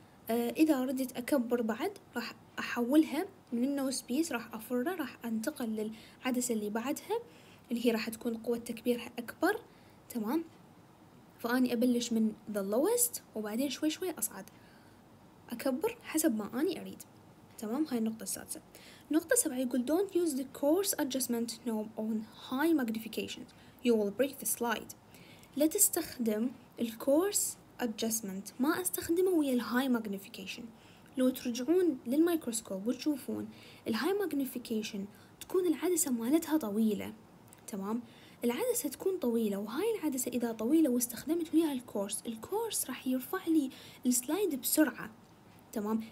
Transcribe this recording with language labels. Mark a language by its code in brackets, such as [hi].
[ar] إذا ردت أكبر بعد راح أحولها من النو سبيس، راح أفرها، راح أنتقل للعدسة اللي بعدها اللي هي راح تكون قوة تكبيرها أكبر تمام. فأني أبلش من the lowest وبعدين شوي شوي أصعد أكبر حسب ما أني أريد تمام. هاي النقطة السادسة. نقطة سبعة يقول [en] don't use the coarse adjustment knob on high magnification، you will break the slide. [ar] لا تستخدم الكورس ادجستمنت، ما استخدمه ويا الهاي ماجنيفيكيشن. لو ترجعون للميكروسكوب وتشوفون الهاي ماجنيفيكيشن تكون العدسه مالتها طويله تمام، العدسه تكون طويله، وهاي العدسه اذا طويله واستخدمت وياها الكورس، الكورس راح يرفع لي السلايد بسرعه تمام.